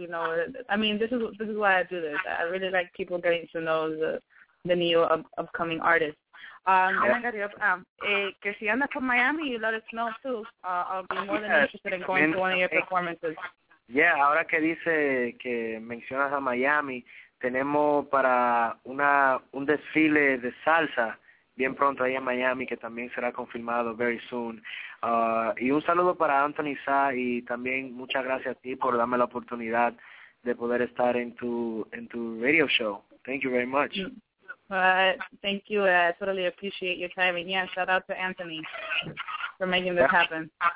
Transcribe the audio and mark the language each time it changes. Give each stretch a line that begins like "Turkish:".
English: You know, I mean, this is why I do this. I really like people getting to know the new upcoming artists.
Spanish: Que si andas por Miami,
English: you let us know too. I'll be more than interested in going to one of your performances.
Spanish: Yeah, ahora que dice que mencionas a Miami, tenemos para un desfile de salsa. Bien pronto ahí en Miami, que también será confirmado
English: very soon.
Spanish: Y un saludo para Anthony Sa, y también muchas gracias a ti por darme la oportunidad de poder estar en tu radio show.
English: Thank you very much. Thank you. I totally appreciate your time. And yeah, shout out to Anthony for making this happen.